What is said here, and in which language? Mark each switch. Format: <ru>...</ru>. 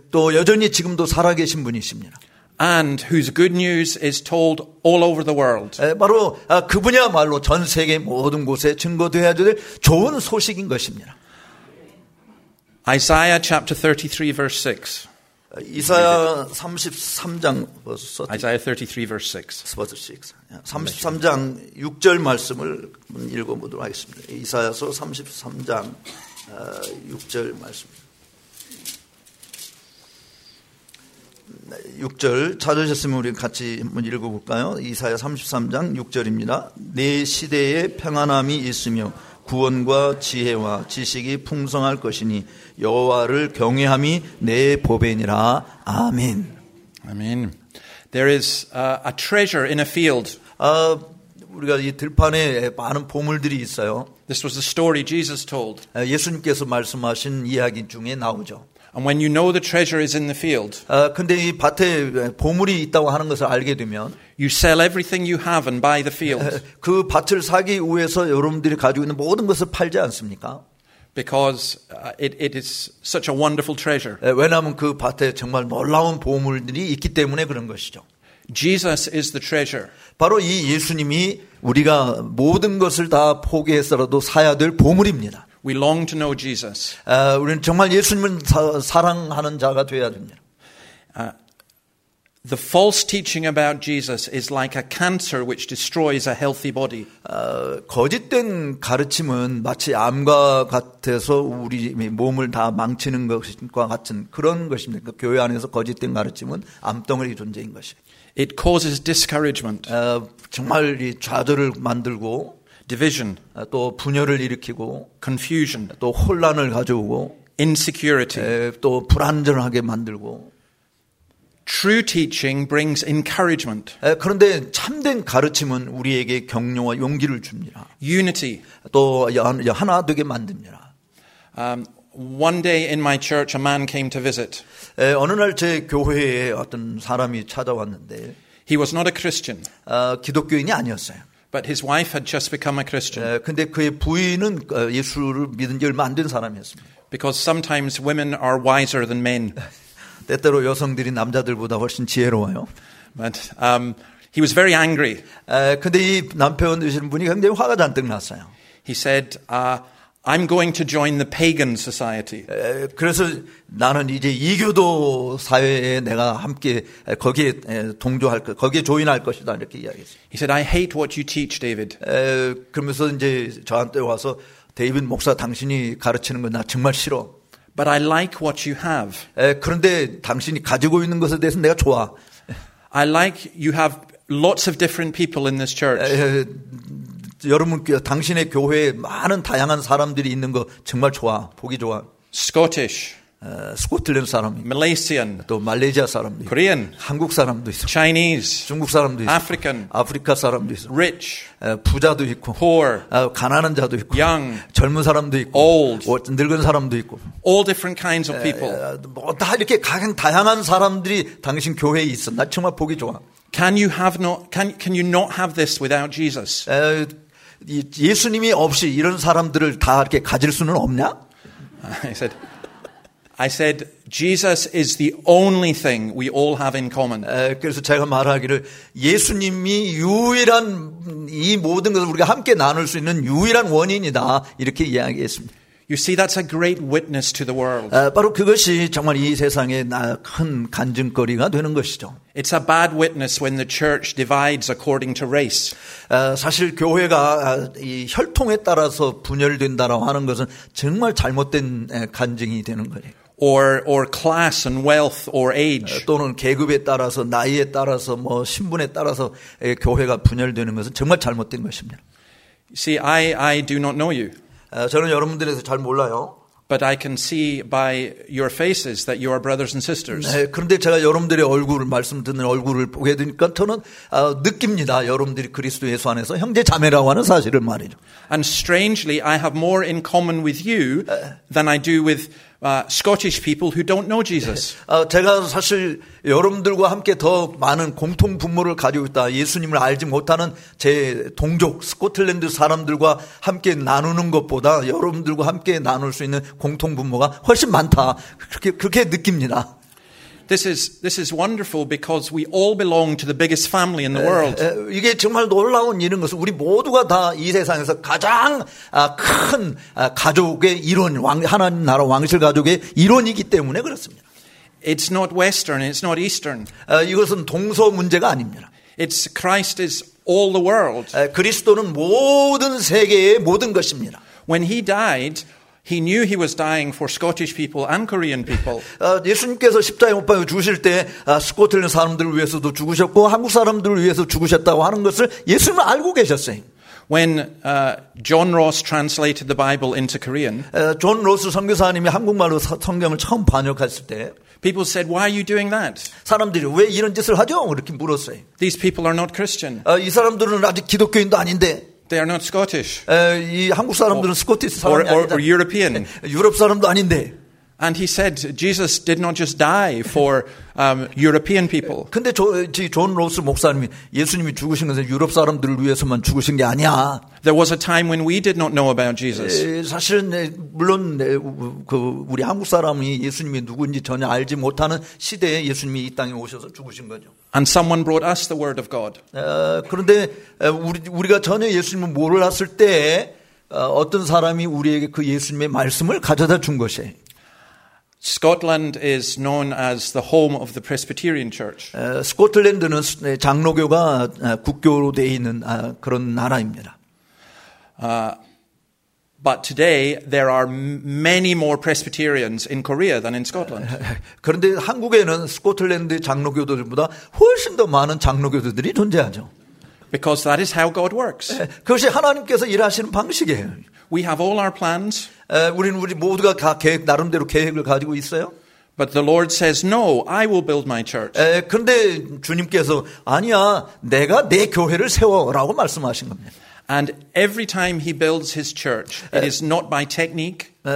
<ko>또 여전히 지금도 살아계신 분이십니다.</ko> <en>And whose good news is told all over the world.</en> <ko>바로 그분이야말로 전 세계 모든 곳에 증거되어야 될 좋은 소식인 것입니다.</ko> <en>Isaiah chapter 33 verse 6.</en> <ko>이사야 33장</ko> <en>Isaiah 33 verse 6.</en> <ko>33장 6절 말씀을 읽어보도록 하겠습니다. 이사야서 33장 6절 말씀. 6절 찾으셨으면 우리 같이 한번 읽어볼까요? 이사야 33장 6절입니다. 내 시대에 평안함이 있으며 구원과 지혜와 지식이 풍성할 것이니 여호와를 경외함이 내 보배니라. 아멘. 아멘.</ko> <en>There is a treasure in a field.</en> <ko>우리가 이 들판에 많은 보물들이 있어요.</ko> <en>This was the story Jesus told.</en> <ko>예수님께서 말씀하신 이야기 중에 나오죠.</ko> <en>And when you know the treasure is in the field,</en> <ko>근데 이 밭에 보물이 있다고 하는 것을 알게 되면,</ko> <en>you sell everything you have and buy the field.</en> <ko>그 밭을 사기 위해서 여러분들이 가지고 있는 모든 것을 팔지 않습니까?</ko> <en>Because it is such a wonderful treasure.</en> <ko>왜냐하면 그 밭에 정말 놀라운 보물들이 있기 때문에 그런 것이죠.</ko> <en>Jesus is the treasure.</en> <ko>바로 이 예수님이 우리가 모든 것을 다 포기해서라도 사야 될 보물입니다.</ko> <en>We long to know Jesus.</en> <ko>우리는 정말 예수님을 사랑하는 자가 되어야 됩니다.</ko> <en>The false teaching about Jesus is like a cancer which destroys a healthy body.</en> <ko>거짓된 가르침은 마치 암과 같아서 우리 몸을 다 망치는 것과 같은 그런 것입니다. 그러니까 교회 안에서 거짓된 가르침은 암덩어리 존재인 것이에요.</ko> <en>It causes discouragement.</en> <ko>정말 이 좌절을 만들고</ko> <en>division</en> <ko>또 분열을 일으키고</ko> <en>confusion</en> <ko>또 혼란을 가져오고</ko> <en>insecurity</en> <ko>또 불안정하게 만들고</ko> <en>true teaching brings encouragement</en> <ko>그런데 참된 가르침은 우리에게 격려와 용기를 줍니다.</ko> <en>unity</en> <ko>또 하나 되게 만듭니다.</ko> <en>One day in my church a man came to visit</en> <ko>어느 날 제 교회에 어떤 사람이 찾아왔는데</ko> <en>he was not a Christian</en> <ko>기독교인이 아니었어요.</ko> <en>But his wife had just become a Christian.</en> <ko>근데 그의 부인은 예수를 믿은 지 얼마 안 된 사람이었습니다.</ko> <en>Because sometimes women are wiser than men.</en> <ko>때때로 여성들이 남자들보다 훨씬 지혜로워요.</ko> <en>But he was very angry.</en> <ko>근데 이 남편 되시는 분이 굉장히 화가 잔뜩 났어요.</ko> <en>He said, I'm going to join the pagan society.</en> <ko>그래서 나는 이제 이교도 사회에 내가 함께 거기에 동조할 것, 거기에 조인할 것이다 이렇게 이야기했어요.</ko> <en>He said, I hate what you teach, David.</en> <ko>그러면서 이제 저한테 와서 데이빗 목사 당신이 가르치는 건 나 정말 싫어.</ko> <en>But I like what you have.</en> <ko>그런데 당신이 가지고 있는 것에 대해서 내가 좋아.</ko> <en>I like you have lots of different people in this church.</en> <ko>여러분, 당신의 교회에 많은 다양한 사람들이 있는 거 정말 좋아, 보기 좋아.</ko> <en>Scottish,</en> <ko>스코틀랜드 사람이.</ko> <en>Malaysian,</en> <ko>또 말레이시아 사람도.</ko> <en>Korean,</en> <ko>한국 사람도 있어.</ko> <en>Chinese,</en> <ko>중국 사람도 있어.</ko> <en>African,</en> <ko>아프리카 사람도 있어.</ko> <en>Rich,</en> <ko>부자도 있고.</ko> <en>Poor,</en> <ko>가난한 자도 있고.</ko> <en>Young,</en> <ko>젊은 사람도 있고.</ko> <en>Old,</en> <ko>늙은 사람도 있고.</ko> <en>All different kinds of people.</en> <ko>뭐 다 이렇게 가장 다양한 사람들이 당신 교회에 있어. 나 정말 보기 좋아.</ko> <en>Can you not have this without Jesus?</en> <ko>예수님이 없이 이런 사람들을 다 이렇게 가질 수는 없냐?</ko> <en>I said, Jesus is the only thing we all have in common.</en> <ko>그래서 제가 말하기를 예수님이 유일한 이 모든 것을 우리가 함께 나눌 수 있는 유일한 원인이다 이렇게 이야기했습니다.</ko> <en>You see, that's a great witness to the world.</en> <ko>바로 그것이 정말 이 세상에 큰 간증거리가 되는 것이죠.</ko> <en>It's a bad witness when the church divides according to race.</en> <ko>사실 교회가 이 혈통에 따라서 분열된다라고 하는 것은 정말 잘못된 간증이 되는 거예요.</ko> <en>Or class and wealth or age.</en> <ko>또는 계급에 따라서 나이에 따라서 뭐 신분에 따라서 교회가 분열되는 것은 정말 잘못된 것입니다.</ko> <en>See, I do not know you.</en> <ko>저는 여러분들에 대해서 잘 몰라요.</ko> <en>But I can see by your faces that you are brothers and sisters.</en> <ko>네, 그런데 제가 여러분들의 얼굴을 말씀 듣는 얼굴을 보게 되니까 저는 느낍니다. 여러분들이 그리스도 예수 안에서 형제 자매라고 하는 사실을 말이죠.</ko> <en>And strangely, I have more in common with you than I do with Scottish people who don't know Jesus.</en> <ko>제가 사실 여러분들과 함께 더 많은 공통 분모를 가지고 있다. 예수님을 알지 못하는 제 동족 스코틀랜드 사람들과 함께 나누는 것보다 여러분들과 함께 나눌 수 있는 공통 분모가 훨씬 많다. 그렇게 느낍니다.</ko> <en>This is wonderful because we all belong to the biggest family in the world.</en> <ko>이게 정말 놀라운 일인 것은 우리 모두가 다 이 세상에서 가장 큰 가족의 일원, 하나님 나라 왕실 가족의 일원이기 때문에 그렇습니다.</ko> <en>It's not Western, it's not Eastern.</en> <ko>이것은 동서 문제가 아닙니다.</ko> <en>It's Christ is all the world.</en> <ko>그리스도는 모든 세계의 모든 것입니다.</ko> <en>When he died, He knew he was dying for Scottish people and Korean people.</en> <ko>예수님께서 십자에 못 박혀 죽으실 때 스코틀랜드 사람들을 위해서도 죽으셨고 한국 사람들을 위해서 죽으셨다고 하는 것을 예수님은 알고 계셨어요.</ko> <en>When John Ross translated the Bible into Korean.</en> <ko>존 로스 선교사님이 한국말로 성경을 처음 번역했을 때</ko> <en>People said, "Why are you doing that?"</en> <ko>사람들이 왜 이런 짓을 하죠? 이렇게 물었어요.</ko> <en>These people are not Christian.</en> <ko>이 사람들은 아직 기독교인도 아닌데</ko> <en>They are not Scottish.</en> <ko>이 한국 사람들은 스코티스 사람이 아니다.</ko> <en>Or European.</en> <ko>유럽 사람도 아닌데.</ko> <en>And he said Jesus did not just die for European people.</en> <ko>근데 존 로스 목사님이 예수님이 죽으신 것은 유럽 사람들을 위해서만 죽으신 게 아니야.</ko> <en>There was a time when we did not know about Jesus.</en> <ko>사실은 물론 그 우리 한국 사람이 예수님이 누구인지 전혀 알지 못하는 시대에 예수님이 이 땅에 오셔서 죽으신 거죠.</ko> <en>And someone brought us the word of God.</en> <ko>그런데 우리가 전혀 예수님을 몰랐을 때 어떤 사람이 우리에게 그 예수님의 말씀을 가져다 준 것이에요.</ko> <en>Scotland is known as the home of the Presbyterian Church.</en> <ko>스코틀랜드는 장로교가 국교로 되어 있는 그런 나라입니다.</ko> <en>But today there are many more Presbyterians in Korea than in Scotland.</en> <ko>그런데 한국에는 스코틀랜드 장로교들보다 훨씬 더 많은 장로교들이 존재하죠.</ko> <en>Because that is how God works.</en> <ko>그것이 하나님께서 일하시는 방식이에요.</ko> <en>We have all our plans.</en> <ko>우리는 우리 모두가 다 계획 나름대로 계획을 가지고 있어요.</ko> <en>But the Lord says, "No, I will build my church."</en> <ko>그런데 주님께서 아니야, 내가 내 교회를 세워라고 말씀하신 겁니다.</ko> <en>And every time He builds His church, it is not by technique.</en>